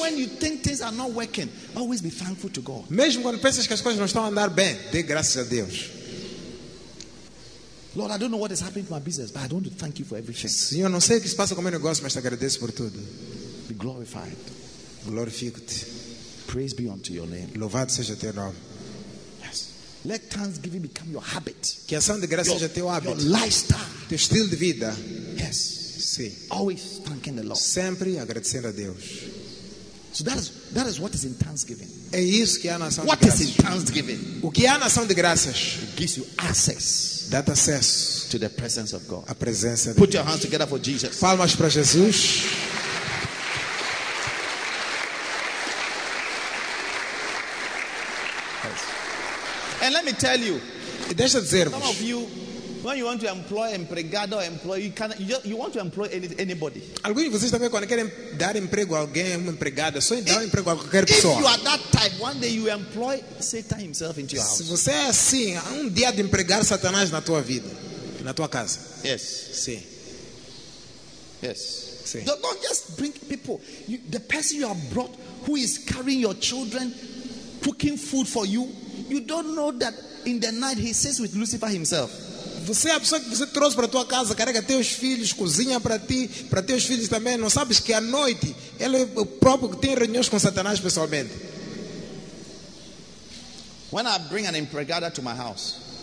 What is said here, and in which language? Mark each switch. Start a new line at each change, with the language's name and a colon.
English: Even when you think things are not working, always be thankful to God.
Portuguese: Mesmo quando pensas que as coisas não estão a andar bem, dê graças a Deus.
English: Lord, I don't know what is happening to my business, but I want to thank you for everything.
Portuguese: Senhor, não sei o que se passa com o meu negócio, mas te agradeço por tudo.
English: Be glorified.
Portuguese: Glorifique-te.
English: Praise be unto your name.
Portuguese: Louvado seja teu nome.
English: Let thanksgiving become your habit.
Portuguese: Que a ação de graça seja teu hábito.
English: Your lifestyle.
Portuguese: Teu estilo de vida.
English: Yes.
Portuguese: Sim.
English: Always thanking the Lord.
Portuguese: Sempre agradecendo a Deus.
English: So that is what is in thanksgiving.
Portuguese: É isso que há na ação
English: what
Portuguese: de graças.
English: What is in thanksgiving?
Portuguese: O que há na ação de graças?
English: It gives you access.
Portuguese: Dá-te acesso
English: to the presence of God.
Portuguese: À presença de Put Deus.
English: Your hands together for Jesus.
Portuguese: Palmas para Jesus.
English: And let me tell you,
Portuguese: deixa dizer-vos,
English: some of you, when you want to employ empregado or employee, you can you want to employ anybody.
Portuguese: Alguns de vocês também quando querem dar emprego a alguém, uma empregada, só dar emprego a qualquer pessoa.
English: If you are that type, one day you employ Satan himself into your house.
Portuguese: Se você é assim, há dia de empregar Satanás na tua vida, na tua casa.
English: Yes.
Portuguese: Sim.
English: Yes.
Portuguese: Sim.
English: Don't just bring people. You, the person you have brought, who is carrying your children, cooking food for you. You don't know that in the night he sits with Lucifer himself.
Portuguese: Você é a pessoa que você trouxe para tua casa, carrega teus filhos, cozinha para teus filhos também. Não sabes que à noite ele é o próprio que tem reuniões com Satanás pessoalmente.
English: When I bring an empregada to my house,